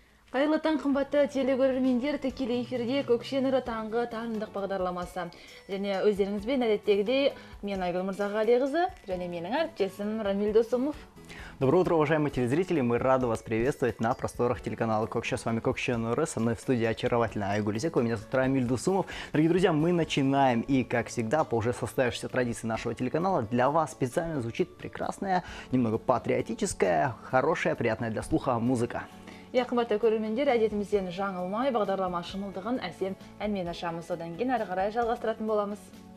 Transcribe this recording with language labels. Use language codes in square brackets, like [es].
[kk] Қайырлы таң, қымбатты телекөрермендер, тікелей эфирде Көкше нұры таңғы таңдық бағдарламасы. Және өздеріңізбен әдеттегідей, мен Айгүл Мырзағалиқызы, және менің әріптесім Рамиль Досымов. [ru] Доброе утро, уважаемые телезрители! Мы рады вас приветствовать на просторах телеканала Кокша. С вами Кокша Нуры, со мной в студии очаровательная Айгуль Исекова. Меня зовут Рамиль Дусумов. Дорогие друзья, мы начинаем. И, как всегда, по уже состоявшейся традиции нашего телеканала, для вас специально звучит прекрасная, немного патриотическая, хорошая, приятная для слуха музыка. [kk] Я қымбатты көрермендер, әдетімізден жаңылмай, бағдарлама шымылдығын әсем әнмен ашамыз. Одан кейін әрі қарай жалғастыратын боламыз.